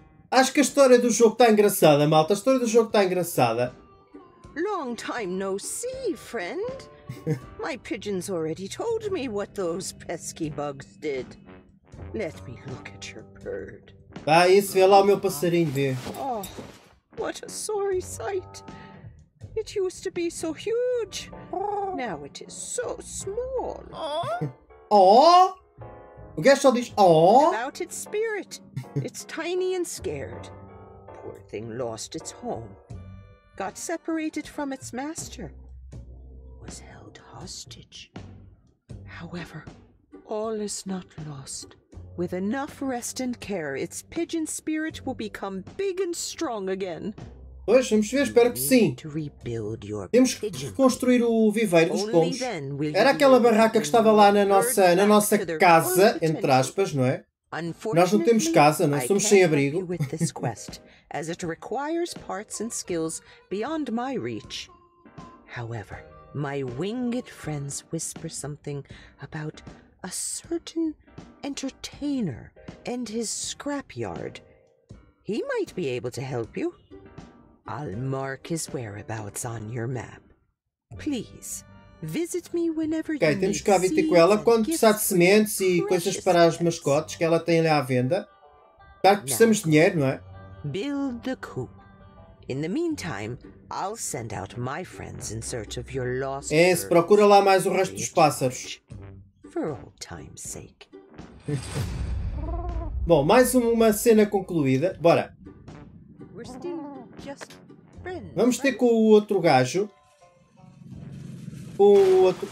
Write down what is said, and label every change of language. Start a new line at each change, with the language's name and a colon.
Portuguese: Acho que a história do jogo está engraçada, malta. A história do jogo está engraçada.
English: Long time no see, friend. My pigeons already told me what those pesky bugs did. Let me look at your bird.
Portuguese: Ah, isso, vê lá o meu passarinho, vê.
English: Oh, what a sorry sight. It used to be so huge. Now it is so small.
Portuguese: Oh? O gajo só diz, oh?
English: About its spirit. It's tiny and scared. Poor thing lost its home. Got separated from its master. Was held hostage. However, all is not lost. With enough rest and care, its pigeon spirit will become big and strong again.
Portuguese: Pois, vamos ver, espero que sim. Temos que reconstruir o viveiro dos pombos. Era aquela barraca que estava lá na nossa casa, entre aspas, não é? Nós não temos casa, não somos sem abrigo.
English: As it requires parts and skills beyond my reach. However, my winged friends whisper something about a certain entertainer and his scrapyard. He might be able to help you. I'll mark his whereabouts on your map. Please, visit me whenever you need.
Portuguese: Ok, temos que ir ter com ela quando precisar de sementes e coisas para as mascotes que ela tem ali à venda. Claro que precisamos de dinheiro, não é?
English: Build the coop. In the meantime, I'll send out my friends in search of your lost.
Portuguese: É, se procura lá mais o resto dos pássaros.
English: For all time's sake.
Portuguese: Bom, mais uma cena concluída. Bora.
English: We're still just friends.
Portuguese: Vamos ter com o outro gajo. O outro.